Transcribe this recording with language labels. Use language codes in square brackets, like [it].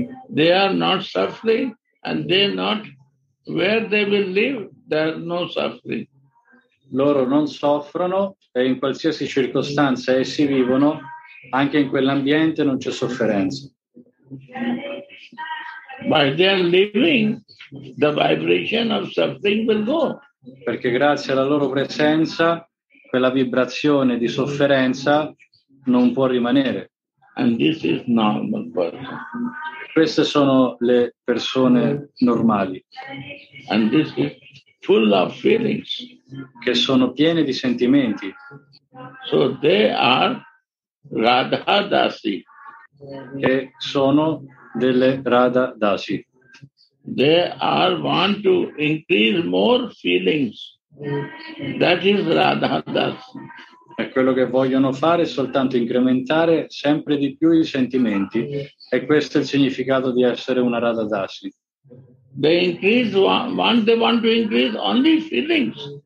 [en] They are not suffering and they not where they will live, there are no suffering. [it] Loro non soffrono e in qualsiasi circostanza essi vivono, anche in quell'ambiente non c'è sofferenza. [en] By their living, the vibration of suffering will go. [it] Perché grazie alla loro presenza, quella vibrazione di sofferenza non può rimanere. [en] And this is normal person. [it] Queste sono le persone normali. [en] And this is full of feelings. [it] Che sono piene di sentimenti. [en] So they are Radha Dasi. [it] Che sono delle Radha Dasi. [en] They are want to increase more feelings. That is Radha Dasi. [it] E quello che vogliono fare è soltanto incrementare sempre di più i sentimenti. E questo è il significato di essere una Radha Dasi. [en] They increase one, they want to increase only feelings.